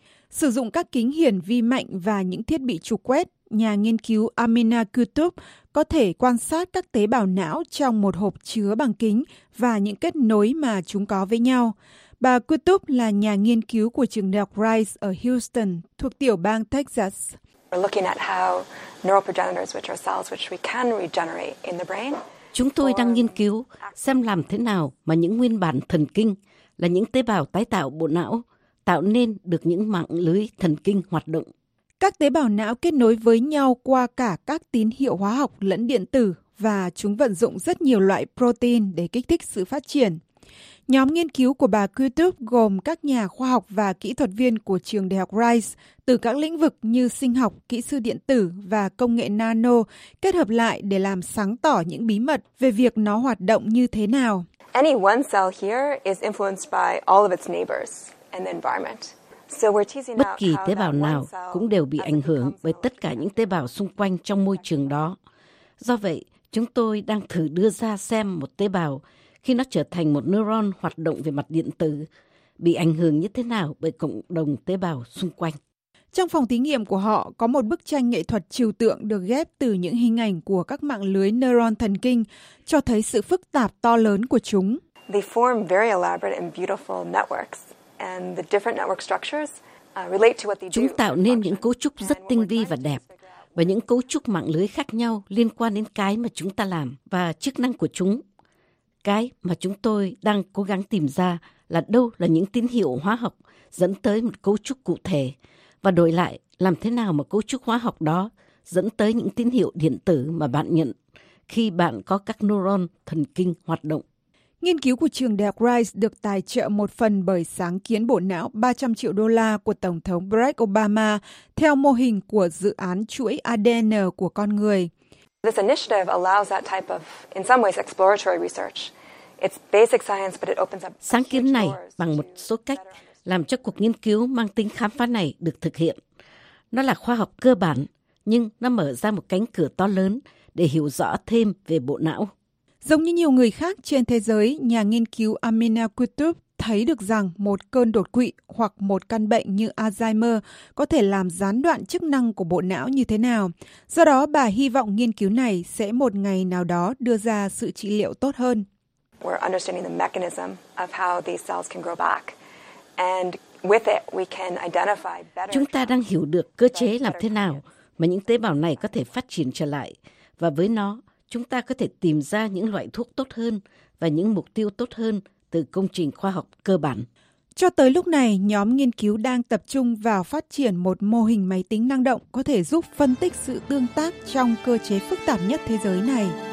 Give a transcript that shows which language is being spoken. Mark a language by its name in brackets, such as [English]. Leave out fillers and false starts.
[Vietnamese] Sử dụng các kính hiển vi mạnh và những thiết bị trục quét, nhà nghiên cứu Amina Kutub có thể quan sát các tế bào não trong một hộp chứa bằng kính và những kết nối mà chúng có với nhau. Bà Kutub là nhà nghiên cứu của trường đại học Rice ở Houston thuộc tiểu bang Texas. [English] We're looking at how neuroprogenitors, which are cells which we can regenerate in the brain. [Vietnamese] Chúng tôi đang nghiên cứu xem làm thế nào mà những nguyên bản thần kinh là những tế bào tái tạo bộ não tạo nên được những mạng lưới thần kinh hoạt động. Các tế bào não kết nối với nhau qua cả các tín hiệu hóa học lẫn điện tử và chúng vận dụng rất nhiều loại protein để kích thích sự phát triển. Nhóm nghiên cứu của bà Kutub gồm các nhà khoa học và kỹ thuật viên của trường đại học Rice từ các lĩnh vực như sinh học, kỹ sư điện tử và công nghệ nano kết hợp lại để làm sáng tỏ những bí mật về việc nó hoạt động như thế nào. [English] Any one cell here is influenced by all of its neighbors and the environment. So we're teasing out. [Vietnamese] Bất kỳ tế bào nào cũng đều bị ảnh hưởng bởi tất cả những tế bào xung quanh trong môi trường đó. Do vậy, chúng tôi đang thử đưa ra xem một tế bào khi nó trở thành một neuron hoạt động về mặt điện tử, bị ảnh hưởng như thế nào bởi cộng đồng tế bào xung quanh. Trong phòng thí nghiệm của họ, có một bức tranh nghệ thuật trừu tượng được ghép từ những hình ảnh của các mạng lưới neuron thần kinh, cho thấy sự phức tạp to lớn của chúng. [English] They form very elaborate and beautiful networks, and the different network structures relate to what they do. [Vietnamese] Chúng tạo nên những cấu trúc rất tinh vi và đẹp, và những cấu trúc mạng lưới khác nhau liên quan đến cái mà chúng ta làm và chức năng của chúng. Cái mà chúng tôi đang cố gắng tìm ra là đâu là những tín hiệu hóa học dẫn tới một cấu trúc cụ thể, và đổi lại, làm thế nào mà cấu trúc hóa học đó dẫn tới những tín hiệu điện tử mà bạn nhận khi bạn có các neuron thần kinh hoạt động. Nghiên cứu của trường Đại học Rice được tài trợ một phần bởi sáng kiến bộ não 300 triệu đô la của Tổng thống Barack Obama theo mô hình của dự án chuỗi ADN của con người. [English] This initiative allows that type of, in some ways, exploratory research. It's basic science, but it opens up. [Vietnamese] Sáng kiến này bằng một số cách làm cho cuộc nghiên cứu mang tính khám phá này được thực hiện. Nó là khoa học cơ bản, nhưng nó mở ra một cánh cửa to lớn để hiểu rõ thêm về bộ não. Giống như nhiều người khác trên thế giới, nhà nghiên cứu Amina Qutub thấy được rằng một cơn đột quỵ hoặc một căn bệnh như Alzheimer có thể làm gián đoạn chức năng của bộ não như thế nào. Do đó, bà hy vọng nghiên cứu này sẽ một ngày nào đó đưa ra sự trị liệu tốt hơn. [English] We're understanding the mechanism of how these cells can grow back. And with it, we can identify better. [Vietnamese] Chúng ta đang hiểu được cơ chế làm thế nào mà những tế bào này có thể phát triển trở lại. Và với nó, chúng ta có thể tìm ra những loại thuốc tốt hơn và những mục tiêu tốt hơn từ công trình khoa học cơ bản. Cho tới lúc này, nhóm nghiên cứu đang tập trung vào phát triển một mô hình máy tính năng động có thể giúp phân tích sự tương tác trong cơ chế phức tạp nhất thế giới này.